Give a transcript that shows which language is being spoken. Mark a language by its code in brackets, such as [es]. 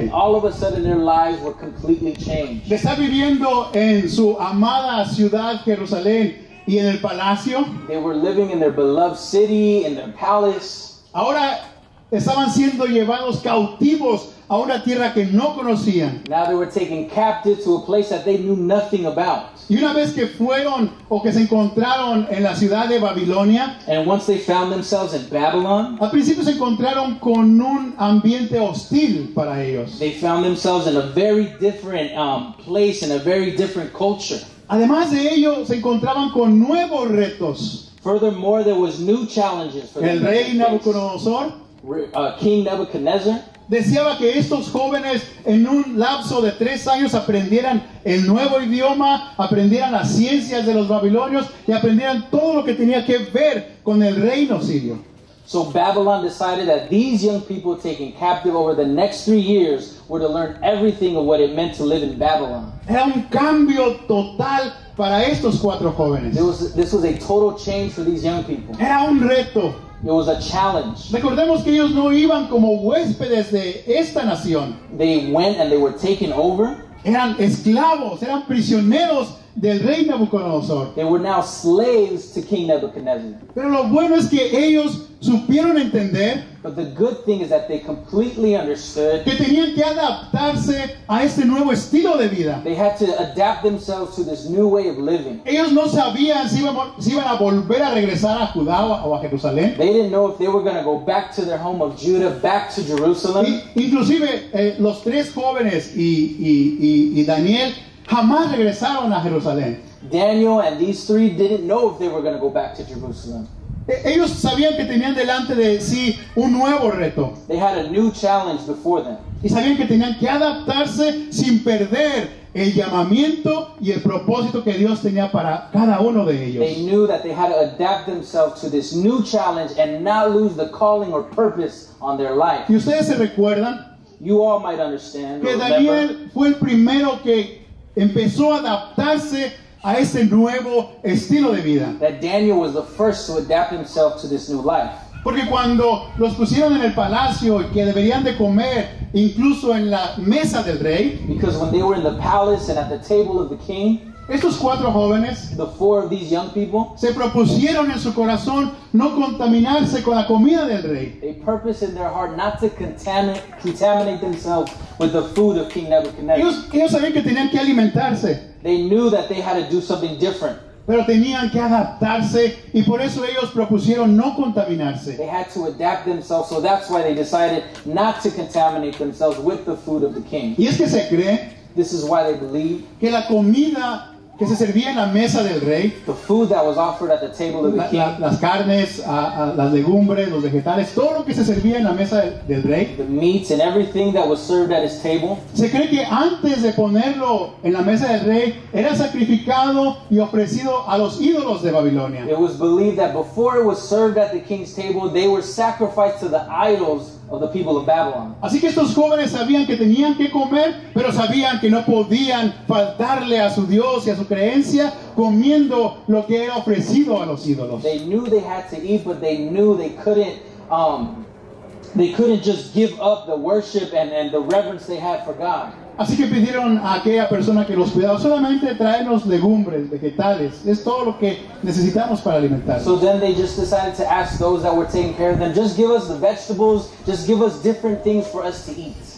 [en] And all of a sudden, their lives were completely changed. [es] De estar viviendo en su amada ciudad, Jerusalén, y en el palacio, [en] they were living in their beloved city, in their palace. [es] Ahora estaban siendo llevados cautivos a una tierra que no conocían. [en] Now they were taken captive to a place that they knew nothing about. [es] Y una vez que fueron o que se encontraron en la ciudad de Babilonia, [en] and once they found themselves in Babylon, [es] al principio se encontraron con un ambiente hostil para ellos. [en] They found themselves in a very different place, in a very different culture. [es] Además de ello, se encontraban con nuevos retos. [en] Furthermore, there was new challenges for them. [es] El rey Nabucodonosor, [en] King Nebuchadnezzar, [es] deseaba que estos jóvenes en un lapso de 3 años aprendieran el nuevo idioma, aprendieran las ciencias de los babilonios y aprendieran todo lo que tenía que ver con el reino sirio. [en] So Babylon decided that these young people taken captive over the next 3 years were to learn everything of what it meant to live in Babylon. [es] Era un cambio total para estos cuatro jóvenes. [en] This was a total change for these young people. [es] Era un reto. [en] It was a challenge. [es] Recordemos que ellos no iban como huéspedes de esta nación. [en] They went and they were taken over. [es] Eran esclavos, eran prisioneros del rey Nabucodonosor. [en] They were now slaves to King Nebuchadnezzar. [es] Pero lo bueno es que ellos supieron entender. [en] But the good thing is that they completely understood. [es] Que tenían que adaptarse a este nuevo estilo de vida. [en] They had to adapt themselves to this new way of living. [es] Ellos no sabían si iban a volver a regresar a Judá o a Jerusalén. [en] They didn't know if they were going to go back to their home of Judah, back to Jerusalem. [es] Inclusive los tres jóvenes y Daniel jamás regresaron a Jerusalén. [en] Daniel and these three didn't know if they were going to go back to Jerusalem. [es] Ellos sabían que tenían delante de sí un nuevo reto. [en] They had a new challenge before them. [es] Y sabían que tenían que adaptarse sin perder el llamamiento y el propósito que Dios tenía para cada uno de ellos. [en] They knew that they had to adapt themselves to this new challenge and not lose the calling or purpose on their life. [es] Y ustedes se recuerdan, [en] you all might understand, [es] que Daniel fue el primero que empezó a adaptarse a este nuevo estilo de vida. [en] That Daniel was the first to adapt himself to this new life. [es] Porque cuando los pusieron en el palacio y que deberían de comer incluso en la mesa del rey, [en] because when they were in the palace and at the table of the king, [es] estos cuatro jóvenes, [en] the four of these young people, [es] se propusieron en su corazón no contaminarse con la comida del rey. [en] They purposed in their heart not to contaminate themselves with the food of King Nebuchadnezzar. [es] Ellos sabían que tenían que alimentarse. [en] They knew that they had to do something different. [es] Pero tenían que adaptarse y por eso ellos propusieron no contaminarse. [en] They had to adapt themselves, so that's why they decided not to contaminate themselves with the food of the king. [es] Y es que se cree, [en] this is why they believe, [es] que la comida que se servía en la mesa del rey, [en] the food that was offered at the table of the king, [es] las carnes, las legumbres, los vegetales, todo lo que se servía en la mesa del rey, [en] the meats and everything that was served at his table, [es] se cree que antes de ponerlo en la mesa del rey era sacrificado y ofrecido a los ídolos de Babilonia. [en] It was believed that before it was served at the king's table, they were sacrificed to the idols of the people of Babylon. [es] Así que estos jóvenes sabían que tenían que comer, pero sabían que no podían faltarle a su Dios y a su creencia comiendo lo que era ofrecido a los ídolos. [en] They knew they had to eat, but they knew they couldn't just give up the worship and the reverence they had for God. [es] Así que pidieron a aquella persona que los cuidaba solamente traernos legumbres, vegetales, es todo lo que necesitamos para alimentar. [en] So then they just decided to ask those that were taking care of them, just give us the vegetables, just give us different things for us to eat.